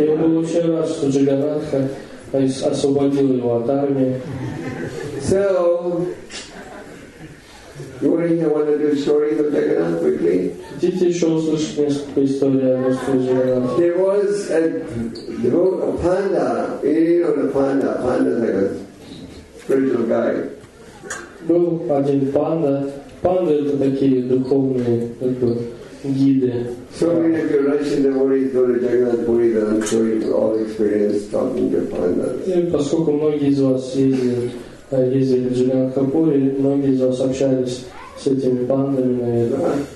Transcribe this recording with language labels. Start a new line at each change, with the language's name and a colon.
Russian: Я был очень рад, что Джаганатха освободил его от армии.
English: So, you want to hear one of the stories of Jagannath quickly?
Russian: Хотите еще услышать несколько историй о Господе Джаганатхе?
English: There was a devotee, a panda, panda is like a spiritual guy.
Russian: Был один панда. Панды это такие духовные гиды.
English: So many of your Russian devotees go to Jagannath Puri, then I'm sure you've all experienced talking to pandas.
Russian: И поскольку многие из вас ездили в Джаганатха Пури, многие из вас общались с этими пандами, наверное.